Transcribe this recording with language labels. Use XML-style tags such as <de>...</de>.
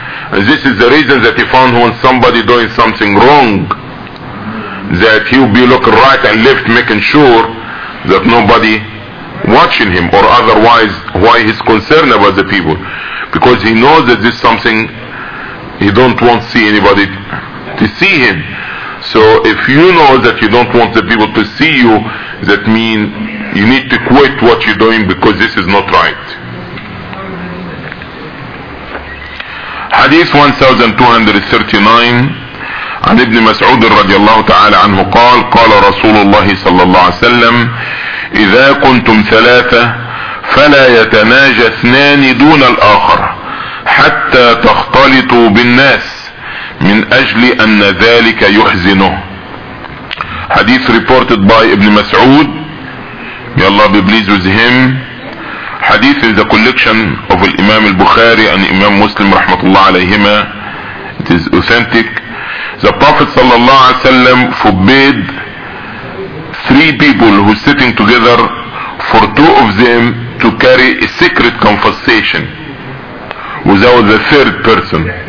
<en>And this is the reason that he found when somebody doing something wrong, that he'll be looking right and left, making sure that nobody watching him, or otherwise why he's concerned about the people, because he knows that this is something he don't want to see anybody to see him. So if you know that you don't want the people to see you, that means you need to quit what you're doing, because this is not right.</en> <ar>Hadith 1239 عن ابن مسعود رضي الله تعالى عنه قال: قال رسول الله صلى الله عليه وسلم: إذا كنتم ثلاثة فلا يتناجى اثنان دون الآخر حتى تختلطوا بالناس من أجل أن ذلك يحزنه.</ar> <en>Hadith reported by Ibn Mas'ud, may Allah be pleased with him. Hadith is the collection of Imam al-Bukhari and Imam Muslim rahmatullah alayhima. It is authentic. The Prophet sallallahu alayhi wa sallam forbid three people who sitting together for two of them to carry a secret conversation without the third person.</en>